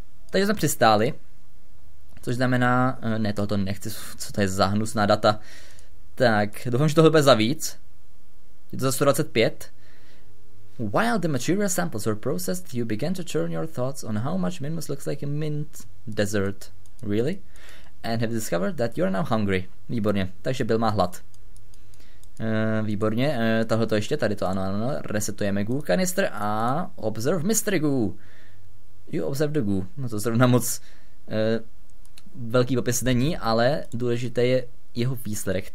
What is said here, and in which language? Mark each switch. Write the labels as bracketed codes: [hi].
[cs] Takže jsme přistáli, což znamená, ne, tohoto nechci, co to je za hnusná data. Tak, doufám, že tohle bude za víc. Je to za 125. [en] While the material samples were processed, you began to turn your thoughts on how much Minmus looks like a mint desert. Really? And have discovered that you're now hungry. [cs] Výborně, takže byl má hlad. Výborně, tohle to ještě, tady to ano, ano, ano. Resetujeme [en] goo canister a observe mystery goo. You observe the goo. [cs] No to zrovna moc velký popis není, ale důležité je jeho výsledek.